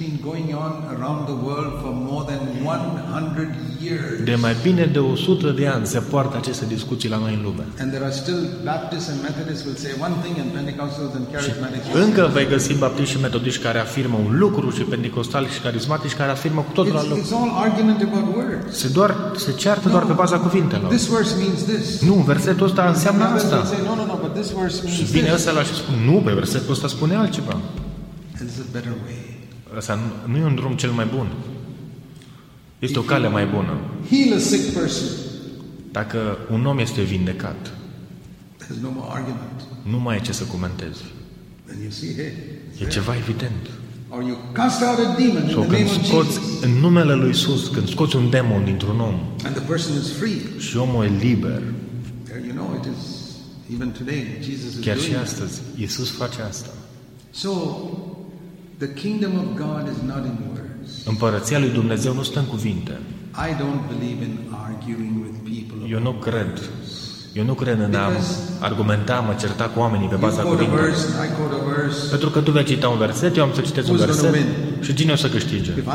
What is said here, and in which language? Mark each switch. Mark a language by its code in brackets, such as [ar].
[en] Going on around the world for more than 100 years. [ro] De mai bine de 100 de ani se poartă aceste discuții la noi în lume. [en] And there are still Baptists and Methodists will say one thing and Pentecostals and Charismatics. [ro] Și încă vei găsi baptiști și metodiști care afirmă un lucru și pentecostali și carismatici care afirmă cu totul alt lucru. [en] It's all argument about words. [ro] Se ceartă doar pe baza cuvintelor. [en] This verse means this. [ro] Nu, versetul ăsta înseamnă asta. [en] No, but this verse means this. [ro] Și vine ăsta la și spune, nu, pe versetul ăsta spune altceva. [en] And this is a better way. [ro] Asta nu e un drum cel mai bun. Este o cale mai bună. [en] Heal a sick person. [ro] Dacă un om este vindecat, [en] there's no more argument. [ro] Nu mai e ce să comentezi. [en] Then you see, hey, [ro] e ceva evident. [en] Or you cast out a demon in the name of Jesus. [ro] Când scoți în numele lui Iisus, când scoți un demon dintr-un om, [en] and the person is free. [ro] Și omul e liber. [en] You know, it is, even today, Jesus is [ro] chiar și astăzi, Iisus face asta. [en] So, the kingdom of God is not in words. [ro] Împărăția lui Dumnezeu nu stă în cuvinte. [en] I don't believe in arguing with people. [ro] Eu nu cred Eu nu cred în am argumenta, mă certa cu oamenii pe baza cuvintelui. Pentru că tu vei cita un verset, eu am să citesc un verset și cine o să câștige?